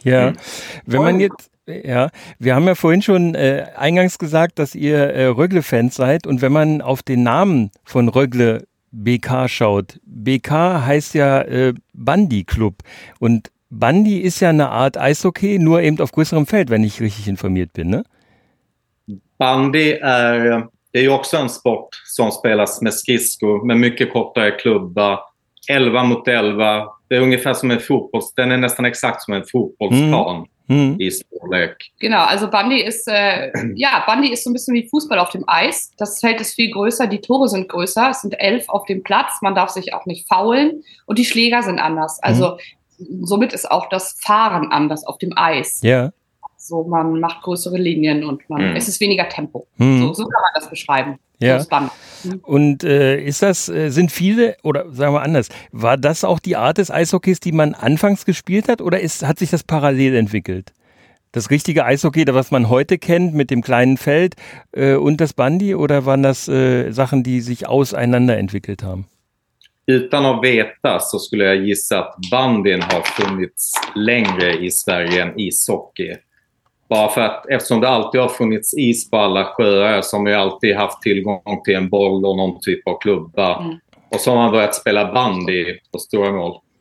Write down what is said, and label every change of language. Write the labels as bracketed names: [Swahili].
[German] Ja, wenn man jetzt, ja, wir haben ja vorhin schon eingangs gesagt, dass ihr Rögle-Fans seid und wenn man auf den Namen von Rögle BK schaut, BK heißt ja Bandy-Club und Bandy ist ja eine Art Eishockey, nur eben auf größerem Feld, wenn ich richtig informiert bin, ne? [Swedish] Bandy är ju också en sport som spelas med skridsko, med mycket kortare klubba, 11 mot 11. Det är ungefär som en fotboll, den är nästan exakt som en fotbollsplan i storlek. [German] Genau, also Bandy ist so ein bisschen wie Fußball auf dem Eis. Das Feld ist viel größer, die Tore sind größer, es sind 11 auf dem Platz, man darf sich auch nicht faulen und die Schläger sind anders. Also somit ist auch das Fahren anders auf dem Eis. Ja. So, man macht größere Linien und es ist weniger Tempo. So kann man das beschreiben. Ja. So spannend. Und sind viele, oder sagen wir anders, war das auch die Art des Eishockeys, die man anfangs gespielt hat, oder hat sich das parallel entwickelt? Das richtige Eishockey, was man heute kennt mit dem kleinen Feld und das Bandy, oder waren das Sachen, die sich auseinander entwickelt haben? [Swedish] Utan att veta så skulle jag gissa att bandyn har funnits längre i Sverige än ishockey. Bara för att eftersom det alltid har funnits is på alla sjöar som har alltid haft tillgång till en boll och någon typ av klubba. Mm. Och så har man börjat spela bandy på stora mål.